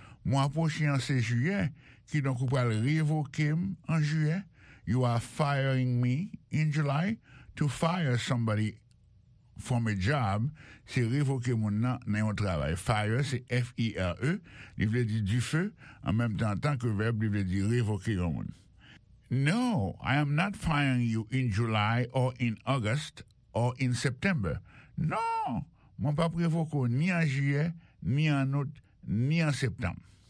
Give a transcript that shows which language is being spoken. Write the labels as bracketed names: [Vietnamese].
[French] Mois prochain, c'est juillet. Qui donc vous pouvez révoquer en juillet? [English] You are firing me in July. To fire somebody from a job, [French] c'est révoquer mon nom dans un travail. Fire, c'est F-I-R-E. Il veut dire du feu. En même temps, tant que verbe, il veut dire révoquer un monde. [English] No, I am not firing you in July or in August or in September. [French] Non, je ne vais pas révoquer ni en juillet, ni en août, ni en septembre.